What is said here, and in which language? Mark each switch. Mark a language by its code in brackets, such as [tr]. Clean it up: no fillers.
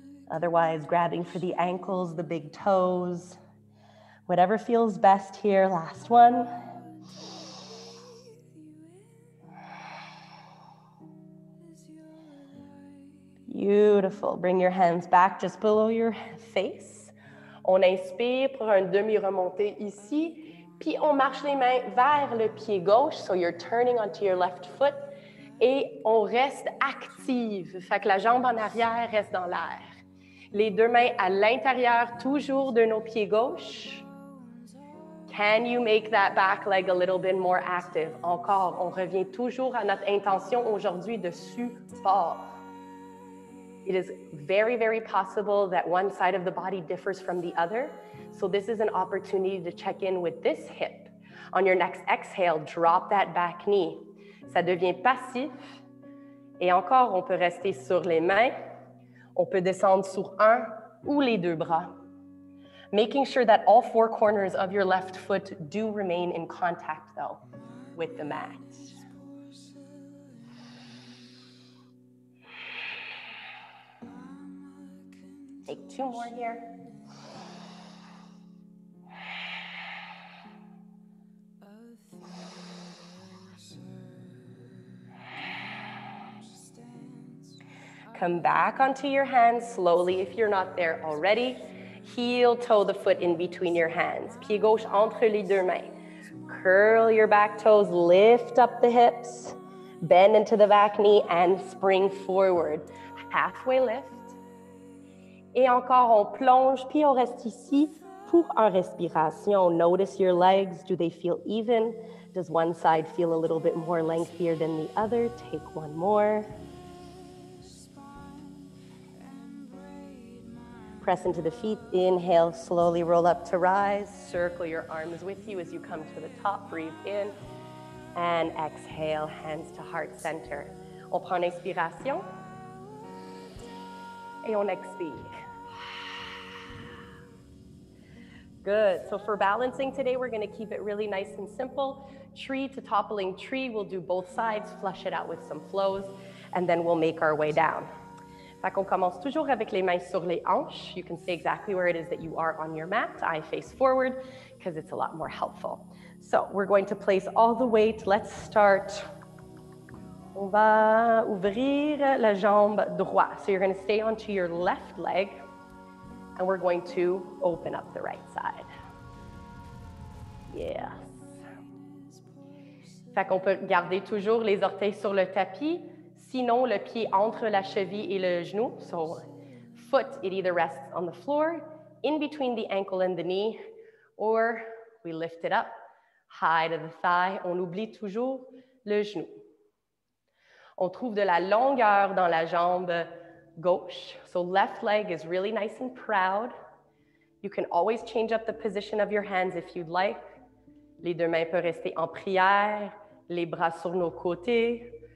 [en] Otherwise, grabbing for the ankles, the big toes, whatever feels best here. Last one. Beautiful. Bring your hands back just below your face. [fr] On inspire pour un demi-remonté ici. Puis on marche les mains vers le pied gauche. [en] So you're turning onto your left foot. [fr] Et on reste active. Fait que la jambe en arrière reste dans l'air. Les deux mains à l'intérieur, toujours de nos pieds gauche. [en] Can you make that back leg a little bit more active? [fr] Encore, on revient toujours à notre intention aujourd'hui de support. [en] It is very, very possible that one side of the body differs from the other. So this is an opportunity to check in with this hip. On your next exhale, drop that back knee. [fr] Ça devient passif. Et encore, on peut rester sur les mains. On peut descendre sur un ou les deux bras. [en] Making sure that all four corners of your left foot do remain in contact, though, with the mat. Take two more here. Come back onto your hands slowly if you're not there already. Heel, toe, the foot in between your hands. [fr] Pied gauche entre les deux mains. [en] Curl your back toes, lift up the hips, bend into the back knee and spring forward. Halfway lift. [fr] Et encore, on plonge, puis on reste ici pour une respiration. [en] Notice your legs. Do they feel even? Does one side feel a little bit more lengthier than the other? Take one more. Press into the feet, inhale, slowly roll up to rise. Circle your arms with you as you come to the top, breathe in. And exhale, hands to heart center. [fr] On prend l'inspiration. Et on expire. [en] Good, so for balancing today, we're gonna keep it really nice and simple. Tree to toppling tree, we'll do both sides, flush it out with some flows, and then we'll make our way down. [fr] Fait qu'on commence toujours avec les mains sur les hanches. [en] You can see exactly where it is that you are on your mat, eye face forward, because it's a lot more helpful. So we're going to place all the weight. Let's start. [fr] On va ouvrir la jambe droite. [en] So you're going to stay onto your left leg, and we're going to open up the right side. Yeah. [fr] Fait qu'on peut garder toujours les orteils sur le tapis. Sinon, le pied entre la cheville et le genou. [en] So, foot, it either rests on the floor, in between the ankle and the knee, or we lift it up, high to the thigh. [fr] On oublie toujours le genou. On trouve de la longueur dans la jambe gauche. [en] So, left leg is really nice and proud. You can always change up the position of your hands if you'd like. [fr] Les deux mains peuvent rester en prière, les bras sur nos côtés.